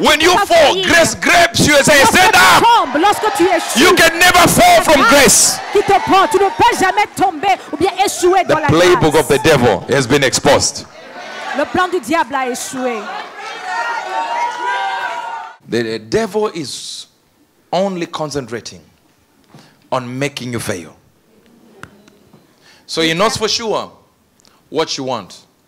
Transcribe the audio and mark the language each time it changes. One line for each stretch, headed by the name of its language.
English: When you fall, grace grabs you and says, stand up.
French: Lorsque tu échoues,
English: you can never fall from grace.
French: Qui te prend, tu ne peux jamais tomber ou bien échouer dans la grâce.
English: The playbook of the devil has been exposed.
French: Le plan du diable a échoué.
English: The devil is only concentrating on making you fail. So he knows for sure what you want.